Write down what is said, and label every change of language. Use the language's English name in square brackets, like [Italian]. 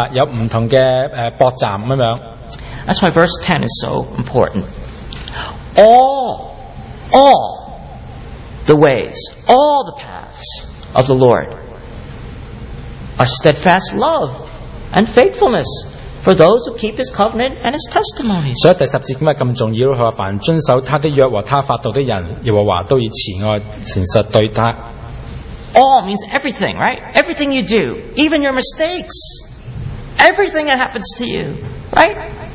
[Chinese] 有些人会相信神,觉得好像一个,怎么去信神呢?就好像去搭车,有不同的驳站,这样。 [English] That's why verse 10 is so important. All the ways, all the paths of the Lord are steadfast love and faithfulness for those who keep his covenant and his testimonies. [Chinese] 所以第十節為何這麼重要,凡遵守他的約和他法度的人,耶和華都以慈愛誠實對他。 [English] All means everything, right? Everything you do, even your mistakes, everything that happens to you, right?